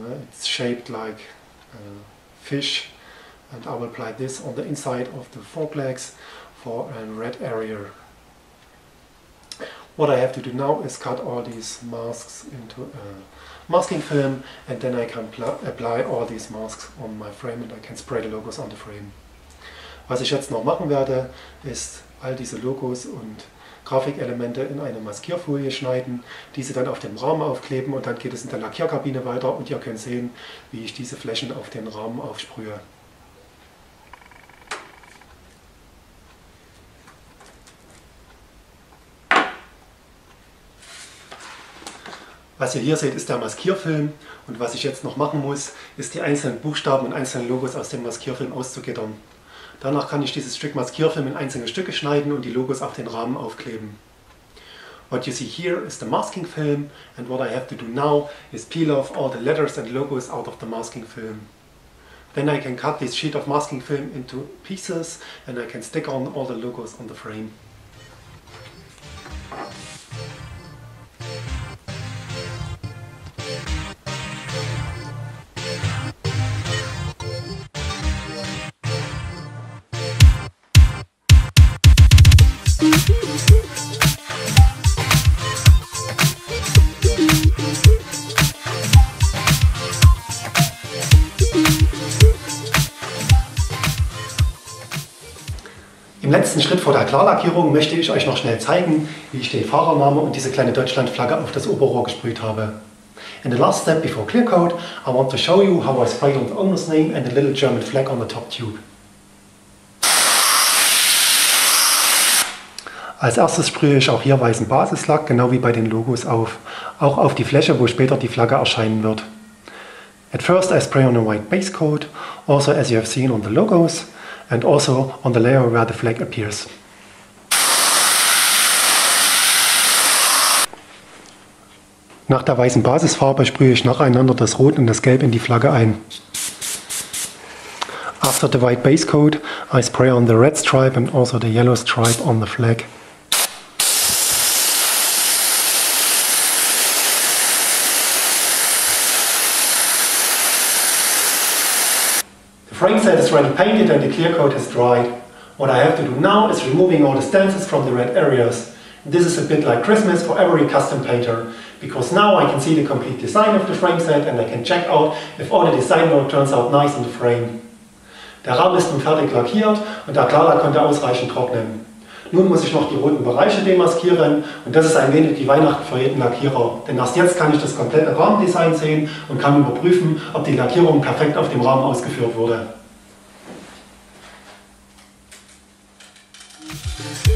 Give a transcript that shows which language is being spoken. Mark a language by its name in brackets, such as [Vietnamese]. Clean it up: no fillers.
[English] It's shaped like a fish, and I will apply this on the inside of the fork legs for a red area. What I have to do now is cut all these masks into a masking film, and then I can apply all these masks on my frame and I can spray the logos on the frame. [German] Was ich jetzt noch machen werde, ist all diese Logos und Grafikelemente in eine Maskierfolie schneiden, diese dann auf dem Rahmen aufkleben und dann geht es in der Lackierkabine weiter und ihr könnt sehen, wie ich diese Flächen auf den Rahmen aufsprühe. Was ihr hier seht, ist der Maskierfilm und was ich jetzt noch machen muss, ist die einzelnen Buchstaben und einzelnen Logos aus dem Maskierfilm auszugittern. Danach kann ich dieses Stück Maskierfilm in einzelne Stücke schneiden und die Logos auf den Rahmen aufkleben. [English] What you see here is the masking film, and what I have to do now is peel off all the letters and logos out of the masking film. Then I can cut this sheet of masking film into pieces, and I can stick on all the logos on the frame. [German] Im letzten Schritt vor der Klarlackierung möchte ich euch noch schnell zeigen, wie ich den Fahrername und diese kleine Deutschlandflagge auf das Oberrohr gesprüht habe. [English] In the last step before clearcoat, I want to show you how I sprayed on the owner's name and the little German flag on the top tube. [German] Als erstes sprühe ich auch hier weißen Basislack, genau wie bei den Logos auf, auch auf die Fläche, wo später die Flagge erscheinen wird. [English] At first I spray on a white base coat, also as you have seen on the logos, and also on the layer where the flag appears. [German] Nach der weißen Basisfarbe sprühe ich nacheinander das Rot und das Gelb in die Flagge ein. [English] After the white base coat, I spray on the red stripe and also the yellow stripe on the flag. The frame set is ready painted and the clear coat has dried. What I have to do now is removing all the stencils from the red areas. This is a bit like Christmas for every custom painter, because now I can see the complete design of the frame set and I can check out if all the design work turns out nice in the frame. [German] Der Rahmen ist nun fertig lackiert und der Klarlack konnte ausreichend trocknen. Nun muss ich noch die roten Bereiche demaskieren und das ist ein wenig die Weihnachten für jeden Lackierer. Denn erst jetzt kann ich das komplette Rahmendesign sehen und kann überprüfen, ob die Lackierung perfekt auf dem Rahmen ausgeführt wurde.